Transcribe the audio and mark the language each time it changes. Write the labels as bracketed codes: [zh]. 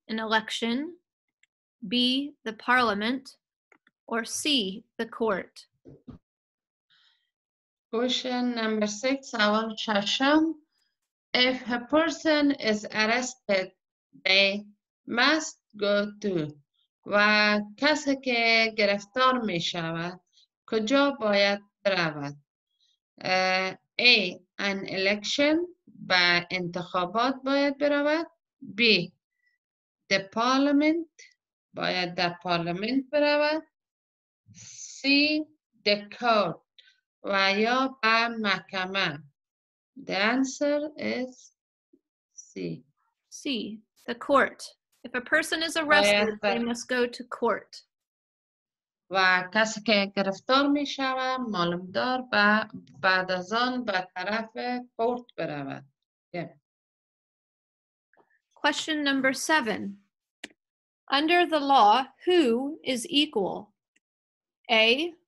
[en] An election, B. The parliament, or C. The court. Question number 6, [fa] سوال ششم. [en] If a person is arrested, they must go to. [fa] و کسی که گرفتار می شود کجا باید برود؟ A. [en] An election, [fa] با انتخابات باید برود. [en] B. The parliament, [fa] باید در پارلمنت برود. [en] C. The court, [fa] و یا به محکمه. [en] The answer is C. C. The court. If a person is arrested, they must go to court. [fa] و کسی که گرفتار می شود معلومدار با بعد از آن به طرف کورت برود. [en] Yeah. Question number 7. Under the law, who is equal? A.